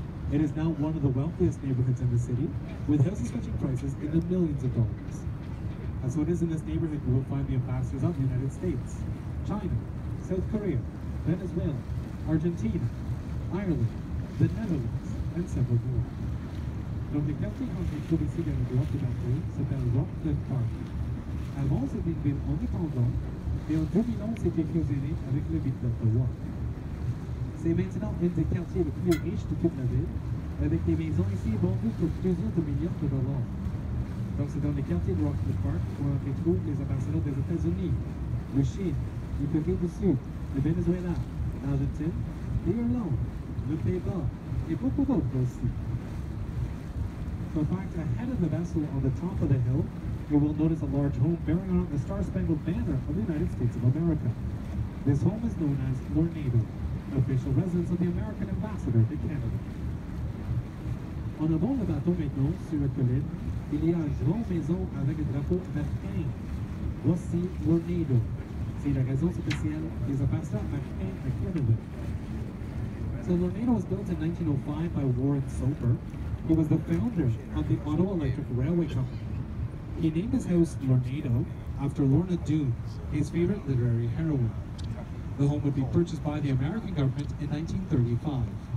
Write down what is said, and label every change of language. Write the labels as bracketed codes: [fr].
[en] It is now one of the wealthiest neighborhoods in the city, with houses fetching prices in the millions of dollars. And so it is in this neighborhood we will find the ambassadors of the United States, China, South Korea, Venezuela, Argentina, Ireland, the Netherlands, and several more. [fr] Donc, le quartier qu'on peut trouver ici dans le bloc de Bateau s'appelle Rockcliffe Park. Avant, c'était une ville indépendante, mais en 2001, c'était fusionné avec le ville d'Ottawa. C'est maintenant un des quartiers les plus riches de toute la ville, avec des maisons ici vendues pour plusieurs de millions de dollars. Donc, c'est dans le quartier de Rockcliffe Park qu'on retrouve les ambassadeurs des États-Unis, le Chine, le Corée du Sud, le Venezuela, l'Argentine, l'Irlande, le Pays-Bas, et beaucoup d'autres aussi. [en] In fact, ahead of the vessel on the top of the hill, you will notice a large home bearing on the Star-Spangled Banner of the United States of America. This home is known as Lord Naval, official residence of the American Ambassador to Canada. [fr] En avant le bateau maintenant, sur la colline, il y a une grande maison avec un drapeau vertain. Voici Lord Naval. C'est la raison spéciale des ambassadeurs vertains à Canada. [en] So Lord Naval was built in 1905 by Warren Soper. He was the founder of the Ottawa Electric Railway Company. He named his house Lornado after Lorna Doone, his favorite literary heroine. The home would be purchased by the American government in 1935.